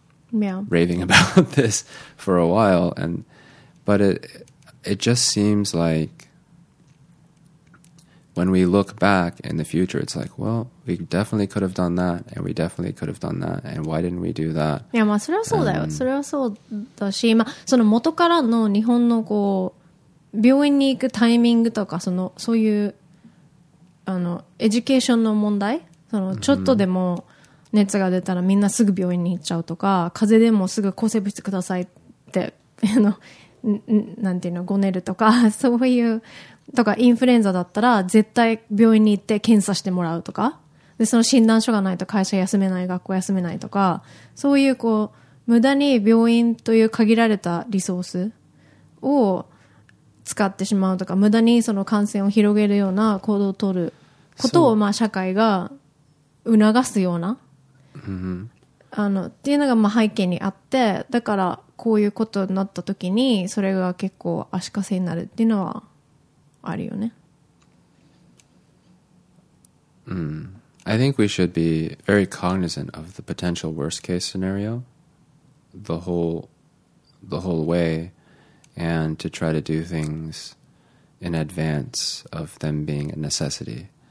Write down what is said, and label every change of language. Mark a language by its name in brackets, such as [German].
[English] yeah. raving about this for a while. And but it just seems like when we look back in the future, it's like, well, we definitely could have done that, and we definitely could have done that, and why didn't we do that? [Japanese] いや、まあ、それはそうだよ。それはそうだし、まあ、その元からの日本のこう病院に行くタイミングとか、そのそういうあのエデュケーションの問題、そのちょっとでも熱が出たらみんなすぐ病院に行っちゃうとか、風邪でもすぐ抗生物質くださいってあのなんていうのごねるとか、そういうとかインフルエンザだったら絶対病院に行って検査してもらうとか、でその診断書がないと会社休めない、学校休めないとか、そういうこう無駄に病院という限られたリソースを使ってしまうとか、無駄にその感染を広げるような行動を取ることを、まあ社会が促すようなあのっていうのがまあ背景にあって、だからこういうことになった時にそれが結構足かせになるっていうのはあるよね。うん。 [English] I think we should be very cognizant of the potential worst case scenario the whole way, and to try to do things in advance of them being a necessity.